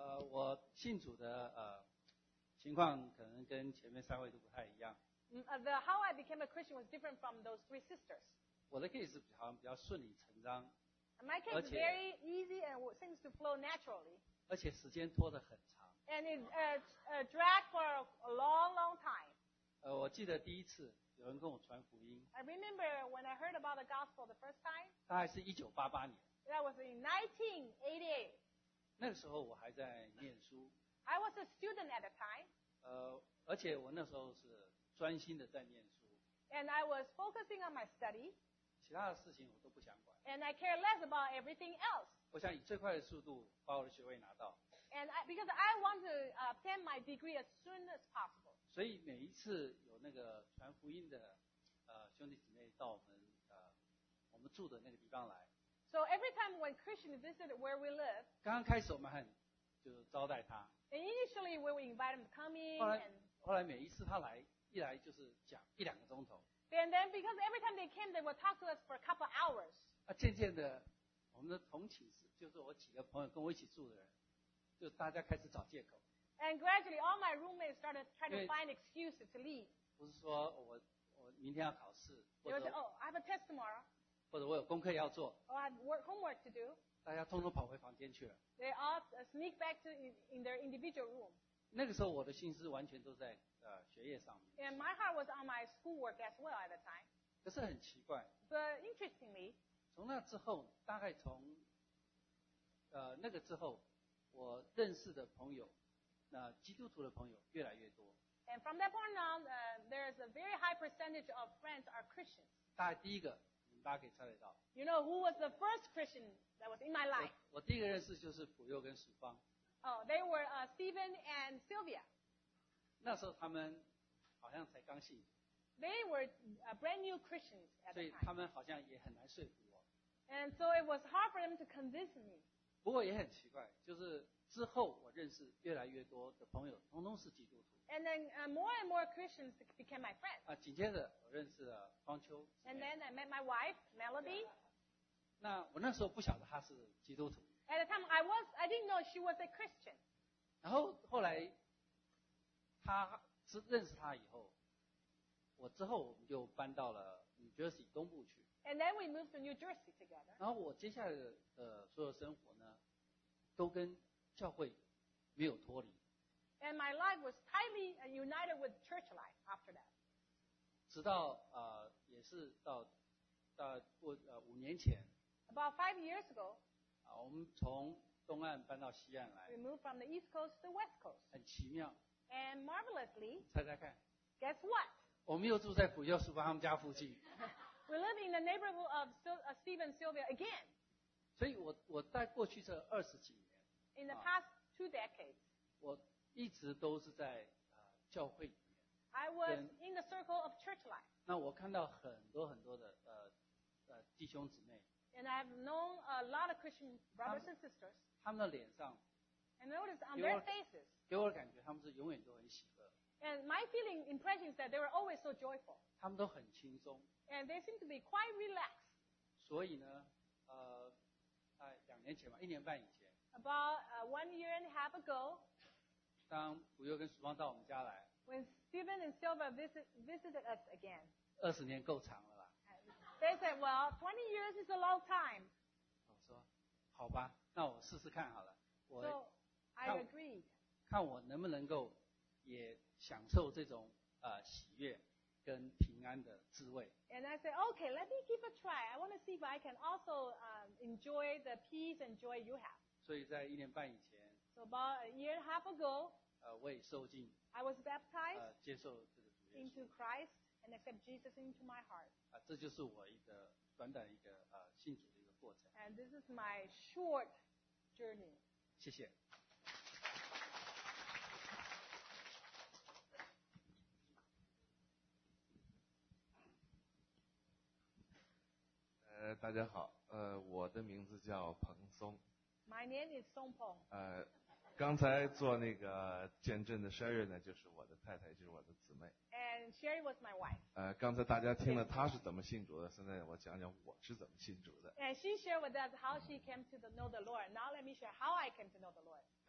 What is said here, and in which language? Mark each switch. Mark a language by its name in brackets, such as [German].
[Chinese] 我信主的情况可能跟前面三位都不太一样。 [English] How I became a Christian was different from those three sisters. [Chinese] 我的 case 好像比较顺理成章。 [English] My case is very easy and seems to flow naturally. [Chinese] 而且时间拖得很长。 [English] And it dragged for a long, long time. [Chinese] 我记得第一次有人跟我传福音。 [English] I remember when I heard about the gospel the first time. [Chinese] 大概是1988年。 [English] That was in 1988. [Chinese] 那个时候我还在念书。 [English] I was a student at the time. [Chinese] 而且我那时候是专心的在念书。 [English] And I was focusing on my study. [Chinese] 其他的事情我都不想管。 [English] And I care less about everything else. [Chinese] 我想以最快的速度把我的学位拿到。 [English] And because I want to obtain my degree as soon as possible. [Chinese] 所以每一次有那个传福音的兄弟姊妹到我们住的那个地方来。 [English] So every time when Christians visit where we live. [Chinese] 刚刚开始我们很就是招待他。 [English] And initially we will invite him to come in. [Chinese] 后来每一次他来，一来就是讲一两个钟头。 [English] And then because every time they came, they will talk to us for a couple hours. [Chinese] 渐渐的，我们的同寝室就是我几个朋友跟我一起住的人。就大家开始找借口。 [English] And gradually, all my roommates started trying to find excuses to leave. [Chinese] 不是说我明天要考试，或者 [English] I have a test tomorrow. [Chinese] 或者我有功课要做。 [English] Or I have homework to do. [Chinese] 大家通通跑回房间去了。 [English] They all sneak back to in their individual room. [Chinese] 那个时候我的心思完全都在学业上面。 [English] And my heart was on my schoolwork as well at the time. [Chinese] 可是很奇怪。 [English] But interestingly, [Chinese] 从那之后，大概从那个之后。我认识的朋友，那基督徒的朋友越来越多。 [English] And from that point on, there is a very high percentage of friends are Christians. [Chinese] 大概第一个，你们大家可以猜得到。 [English] You know who was the first Christian that was in my life? [Chinese] 我第一个认识就是普佑跟淑芳。 [English] Oh, they were Stephen and Sylvia. [Chinese] 那时候他们好像才刚信。 [English] They were brand new Christians at the time. [Chinese] 所以他们好像也很难说服我。 [English] And so it was hard for them to convince me. [Chinese] 不过也很奇怪，就是之后我认识越来越多的朋友，通通是基督徒。 [English] And then more and more Christians became my friends. [Chinese] 紧接着我认识了方秋。 [English] And then I met my wife Melody. [Chinese] 那我那时候不晓得她是基督徒。 [English] At the time I didn't know she was a Christian. [Chinese] 然后后来，她认识她以后，我之后我们就搬到了 New Jersey 东部去。 [English] And then we moved to New Jersey together. [Chinese] 然后我接下来的所有生活呢，都跟教会没有脱离。 [English] And my life was tightly united with church life after that. [Chinese] 直到也是到过五年前。 [English] About 5 years ago. [Chinese] 我们从东岸搬到西岸来。 [English] We moved from the East Coast to the West Coast. [Chinese] 很奇妙。 [English] And marvelously. [Chinese] 猜猜看。 [English] Guess what? [Chinese] 我们又住在普佑淑芳他们家附近。 [English] We live in the neighborhood of Stephen and Sylvia again. [Chinese] 所以我在过去这二十几年 [English] ，In the past two decades, [Chinese] 我一直都是在教会里面。 [English] I was in the circle of church life. [Chinese] 那我看到很多很多的弟兄姊妹。 [English] And I have known a lot of Christian brothers and sisters. [Chinese] 他们的脸上 [English] And notice on their faces. [Chinese] 给我的感觉他们是永远都很喜乐。 [English] And my feeling impression is that they were always so joyful. [Chinese] 他们都很轻松。 [English] And they seem to be quite relaxed. [Chinese] 所以呢, 两年前吧, 一年半以前, [English] About one year and a half ago, [Chinese] 当吴又跟淑芳到我们家来, [English] when Stephen and Silva visited us again, [Chinese] 20年够长了啦, [English] they said, well, 20 years is a long time. [Chinese] 我说, 好吧, 那我试试看好了, 我, [English] so, I agreed. [Chinese] 看我能不能够也享受这种, 喜悦, 跟平安的滋味。 [English] And I said, okay, let me give a try. I want to see if I can also enjoy the peace and joy you have. [Chinese] 所以在一年半以前, [English] so about a year and a half ago, [Chinese] 我也受浸, [English] I was baptized [Chinese] 接受这个主耶稣, [English] into Christ and accept Jesus into my heart. [Chinese] 这就是我一个短短一个, 信主的一个过程。 [English] And this is my short journey. [Chinese] 谢谢。大家好，我的名字叫彭松。 [English] My name is Song Peng. [Chinese] 刚才做那个见证的 Sherry 呢，就是我的太太，就是我的姊妹。 [English] And Sherry was my wife. [Chinese] 刚才大家听了她是怎么信主的，现在我讲讲我是怎么信主的。 [English] And she shared with us how she came to know the Lord. Now let me share how I came to know the Lord.